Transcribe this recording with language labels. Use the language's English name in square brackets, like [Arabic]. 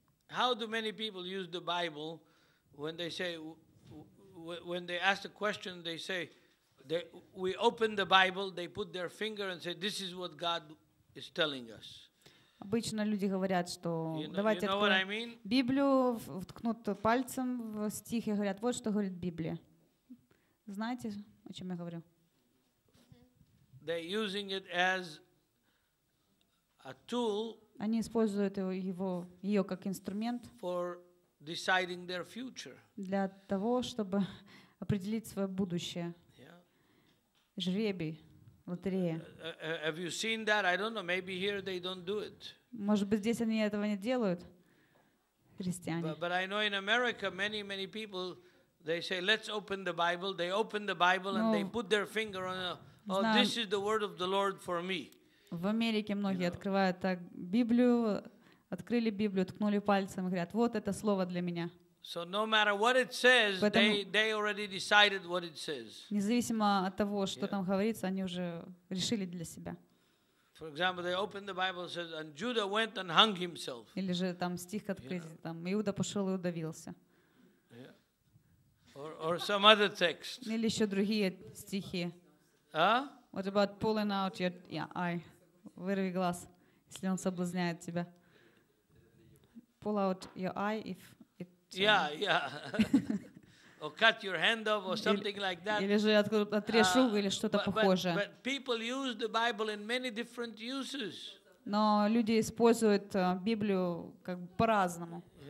[English] How do many people use the Bible when they say, when they ask a question, they say, we open the Bible, they put their finger and say, this is what God is telling us. [Russian] Обычно люди говорят, что давайте откроем Библию, вткнут пальцем в стих и говорят, вот что говорит Библия. Знаете, о чем я говорю? [English] They're using it as a tool. [Russian] Они используют ее как инструмент [English] for deciding their future. [Russian] Для того, чтобы определить свое будущее. [English] Yeah. [Russian] Жребий, лотерея. [English] Have you seen that? I don't know. Maybe here they don't do it. [Russian] Может быть, здесь они этого не делают, христиане. [English] But I know in America many, many people, they say, let's open the Bible. They open the Bible and they put their finger on it. Oh, this is the word of the Lord for me. [Russian] В Америке многие открывают так Библию, открыли Библию, ткнули пальцем и говорят, вот это слово для меня. [English] So no matter what it says, they already decided what it says. [Russian] Независимо от того, что там говорится, они уже решили для себя. [English] For example, they opened the Bible and says, and Judah went and hung himself. [Russian] Или же там стих открыть, там Иуда пошел и удавился. [English] Yeah. Or some other text. [Russian] Или еще другие стихи. [English] What about pulling out your eye? [Russian] Вырви глаз, если он соблазняет тебя. [English] Pull out your eye if it... Yeah. Or cut your hand off or something like that. [Russian] Или же отрежу или что-то похожее. [English] But people use the Bible in many different uses. [Russian] Но люди используют Библию как бы по-разному.